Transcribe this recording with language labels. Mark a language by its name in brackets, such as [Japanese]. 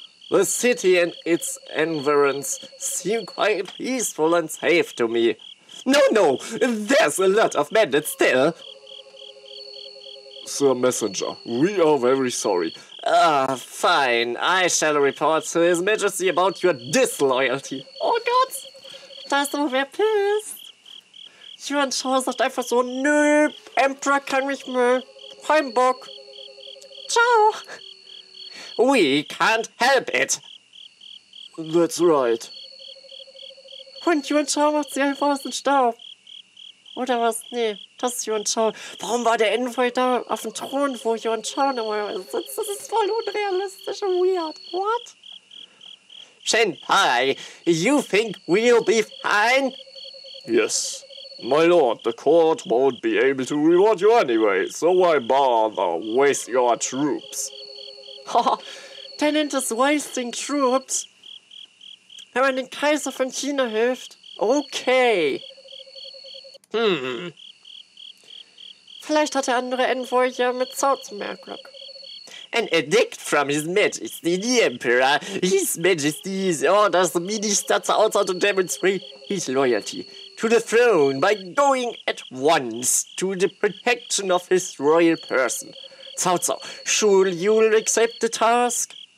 [English] The city and its environs seem quite peaceful and safe to me. No, no! There's a lot of bandits still! Sir Messenger, we are very sorry. Fine. I shall report to His Majesty about your disloyalty. [German] Oh, Gott! Da ist aber wer pissed. Johann Schauer sagt einfach so, nö, Emperor kann mich mehr. Kein Bock. Ciao! [English] We can't help it. That's right. [German] Und Johann Schauer macht sie einfach aus dem Staub. Oder was? Nee, das ist Johann Schauer. Warum war der Envoy da auf dem Thron, wo Johann Schauer normalerweise sitzt? Das ist voll unrealistisch und weird. [English] What? Shenpai, you think we'll be fine? Yes. My lord, the court won't be able to reward you anyway, so why bother with your troops? [German] Haha, der nennt es [English] wasting troops. [German] Wenn man den Kaiser von China hilft. [English] Okay. [German] Vielleicht hat der andere Envoy ja mit Zau zu mehr Glück. [English] An edict from His Majesty the Emperor. His Majesty is orders the Minister Zau Zau to demonstrate his loyalty to the throne by going at once to the protection of his royal person. Zau Zau, surely you'll accept the task?